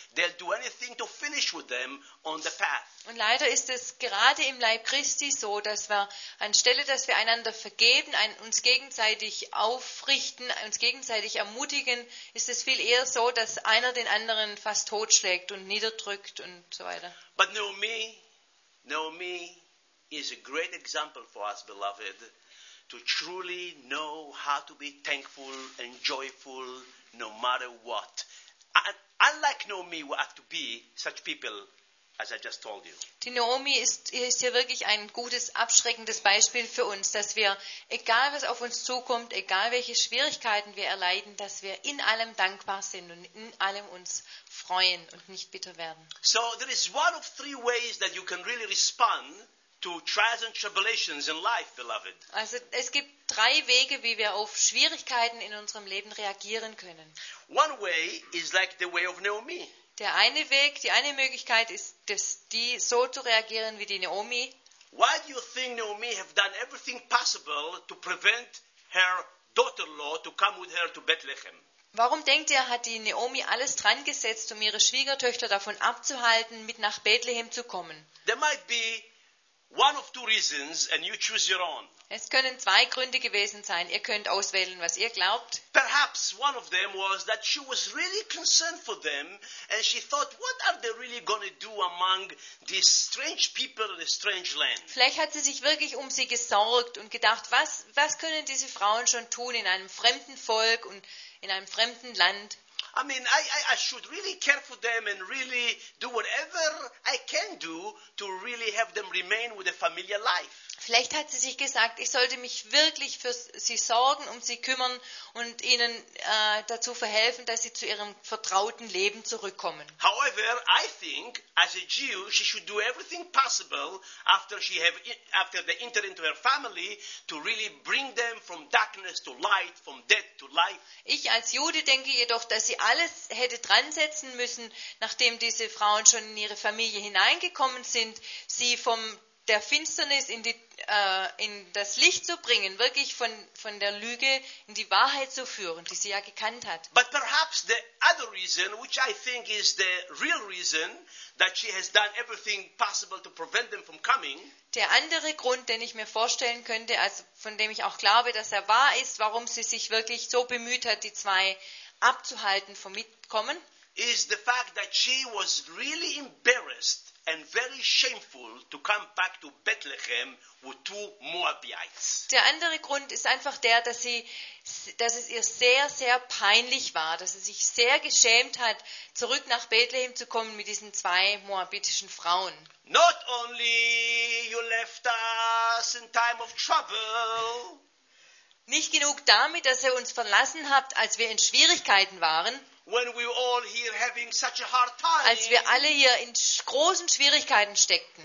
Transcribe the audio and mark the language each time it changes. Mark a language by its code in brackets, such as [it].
[en] They'll do anything to finish with them. [de] Und leider ist es gerade im Leib Christi so, dass wir anstelle, dass wir einander vergeben, uns gegenseitig aufrichten, uns gegenseitig ermutigen, ist es viel eher so, dass einer den anderen fast totschlägt und niederdrückt und so weiter. [en] But Naomi is a great example for us, beloved, to truly know how to be thankful and joyful no matter what. Unlike Naomi, we have to be such people. As I just told you. [de] Die Naomi ist hier wirklich ein gutes, abschreckendes Beispiel für uns, dass wir, egal was auf uns zukommt, egal welche Schwierigkeiten wir erleiden, dass wir in allem dankbar sind und in allem uns freuen und nicht bitter werden. [en] So, there is one of three ways that you can really respond to trials and tribulations in life, beloved. [de] Also, es gibt drei Wege, wie wir auf Schwierigkeiten in unserem Leben reagieren können. [en] One way is like the way of Naomi. [de] Der eine Weg, die eine Möglichkeit ist, dass die so zu reagieren wie die Naomi. [en] Why do you think Naomi have done everything possible to prevent her daughter-in-law to come with her to Bethlehem? [de] Warum denkt ihr, hat die Naomi alles dran gesetzt, um ihre Schwiegertöchter davon abzuhalten, mit nach Bethlehem zu kommen? [en] There might be one of two reasons and you choose your own. [de] Es können zwei Gründe gewesen sein. Ihr könnt auswählen, was ihr glaubt. [en] Perhaps one of them was that she was really concerned for them and she thought, what are they really going to do among these strange people in a strange land? [de] Vielleicht hat sie sich wirklich um sie gesorgt und gedacht, was können diese Frauen schon tun in einem fremden Volk und in einem fremden Land? [en] I mean, I should really care for them and really do whatever I can do to really have them remain with a familiar life. [de] Vielleicht hat sie sich gesagt, ich sollte mich wirklich für sie sorgen, um sie kümmern und ihnen dazu verhelfen, dass sie zu ihrem vertrauten Leben zurückkommen. [en] However, I think as a Jew, she should do everything possible after she have after they enter into her family to really bring them from darkness to light, from death to life. [de] Ich als Jude denke jedoch, dass sie alles hätte dran setzen müssen, nachdem diese Frauen schon in ihre Familie hineingekommen sind, sie vom der Finsternis in, in das Licht zu bringen, wirklich von der Lüge in die Wahrheit zu führen, die sie ja gekannt hat. [en] But perhaps the other reason, which I think is the real reason, that she has done everything possible to prevent them from coming. [de] Der andere Grund, den ich mir vorstellen könnte, also von dem ich auch glaube, dass er wahr ist, warum sie sich wirklich so bemüht hat, die zwei abzuhalten vom Mitkommen, [en] is the fact that she was really embarrassed and very shameful to come back to Bethlehem with two Moabites. [de] Der andere Grund ist einfach der, dass sie, dass es ihr sehr, sehr peinlich war, dass sie sich sehr geschämt hat, zurück nach Bethlehem zu kommen mit diesen zwei moabitischen Frauen. [en] Not only you left us in time of trouble. [de] Nicht genug damit, dass ihr uns verlassen habt, als wir in Schwierigkeiten waren. [en] When we were all here having such a hard time, [de] als wir alle hier in großen Schwierigkeiten steckten.